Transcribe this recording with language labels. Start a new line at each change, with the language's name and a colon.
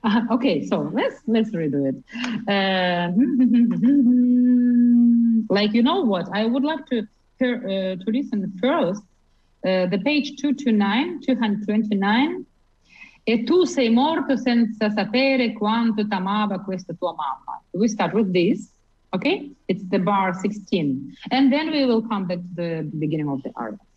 English: Okay, so let's redo it. Like, you know what? I would like to hear, to listen first. The page 229, 229.
Italian: E tu sei morto senza sapere quanto t'amava questa tua mamma.
English: We start with this, okay? It's the bar 16. And then we will come back to the beginning of the aria.